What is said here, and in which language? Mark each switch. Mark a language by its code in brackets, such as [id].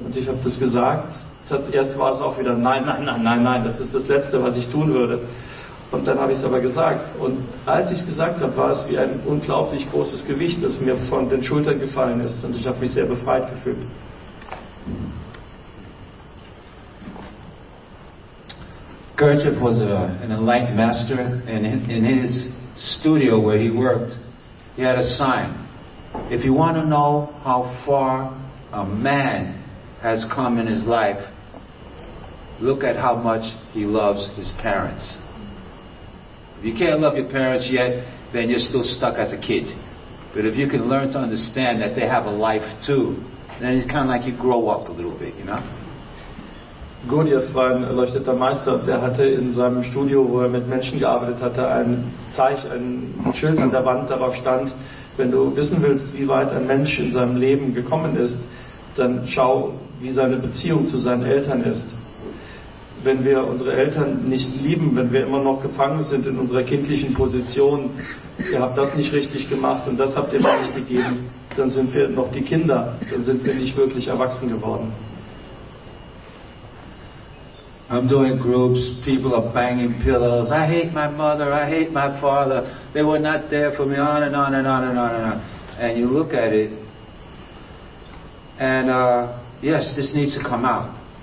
[de] Und ich habe das gesagt. Erst war es auch wieder, nein, nein, nein, nein, nein, das ist das Letzte, was ich tun würde. Und dann habe ich es aber gesagt. Und als ich es gesagt habe, war es wie ein unglaublich großes Gewicht, das mir von den Schultern gefallen ist. Und ich habe mich sehr befreit gefühlt. [en] Gurdjieff was an enlightened master, and in his studio where he worked, he had a sign. If you want to know how far a man has come in his life, look at how much he loves his parents. If you can't love your parents yet, then you're still stuck as a kid. But if you can learn to understand that they have a life too, then it's kind of like you grow up a little bit, you know? [de] Gurdjieff war ein erleuchteter Meister, der hatte in seinem Studio, wo er mit Menschen gearbeitet hatte, ein Schild an der Wand, darauf stand, wenn du wissen willst, wie weit ein Mensch in seinem Leben gekommen ist, dann schau, wie seine Beziehung zu seinen Eltern ist. Wenn wir unsere Eltern nicht lieben, wenn wir immer noch gefangen sind in unserer kindlichen Position, ihr habt das nicht richtig gemacht und das habt ihr mir nicht gegeben, dann sind wir noch die Kinder, dann sind wir nicht wirklich erwachsen geworden. [en] I'm doing groups, people are banging pillows, I hate my mother, I hate my father, they were not there for me, on and on and on and on and on. And you look at it, and yes, this needs to come out.